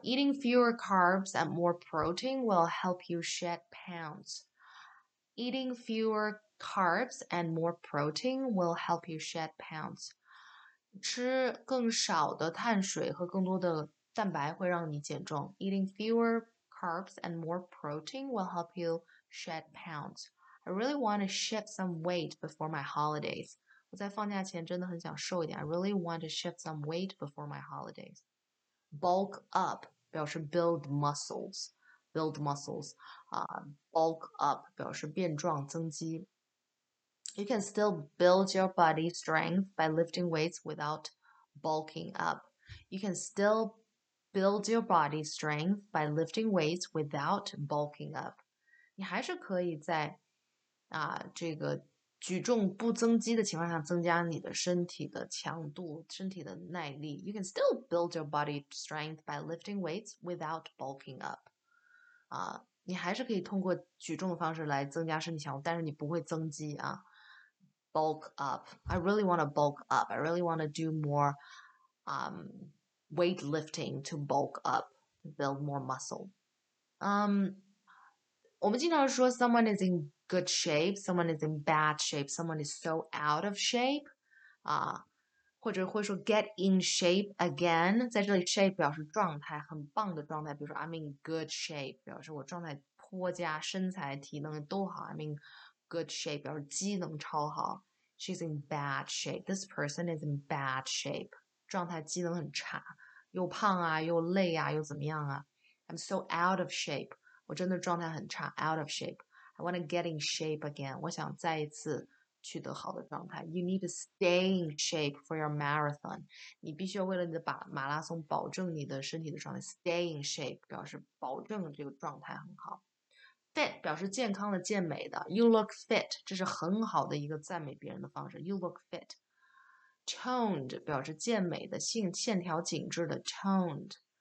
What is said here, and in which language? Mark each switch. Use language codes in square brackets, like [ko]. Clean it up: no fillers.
[en] Eating fewer carbs and more protein will help you shed pounds. Eating fewer carbs and more protein will help you shed pounds. [zh] 吃更少的碳水和更多的蛋白会让你减重。 [en] Eating fewer carbs and more protein will help you shed pounds. I really want to shift some weight before my holidays. [zh] 我在放假前真的很想瘦一点。 [en] I really want to shift some weight before my holidays. Bulk up [zh] 表示 [en] build muscles. Bulk up [zh] 表示变壮增肌。 [en] You can still build your body strength by lifting weights without bulking up. You can still build your body strength by lifting weights without bulking up. [zh] 你还是可以在这个举重不增肌的情况下增加你的身体的强度，身体的耐力。 [en] You can still build your body strength by lifting weights without bulking up. [zh] 你还是可以通过举重的方式来增加身体强度，但是你不会增肌啊。 [en] Bulk up. I really want to bulk up. I really want to do more weightlifting to bulk up, build more muscle. [zh] 我们经常说 [en] someone is in good shape, someone is in bad shape, someone is so out of shape. [zh] 或者会说 [en] get in shape again. [zh] 在这里 shape 表示状态，很棒的状态。比如说 [en] I'm in good shape, [zh] 表示我状态颇佳，身材体能都好。 [en] I'm in good shape, [zh] 表示机能超好。 [en] She's in bad shape. This person is in bad shape. [zh] 状态机能很差，又胖啊，又累啊，又怎么样啊。 [en] I'm so out of shape. [zh] 我真的状态很差， [en] out of shape. I want to get in shape again. [zh] 我想再一次取得好的状态。 [en] You need to stay in shape for your marathon. [zh] 你必须要为了你的马拉松保证你的身体的状态。 [en] Stay in shape [zh] 表示保证这个状态很好。 Fit 表示健康的、健美的。 [en] You look fit， [zh] 这是很好的一个赞美别人的方式。 [en] You look fit。 [zh] Toned 表示健美的、线条紧致的。Toned。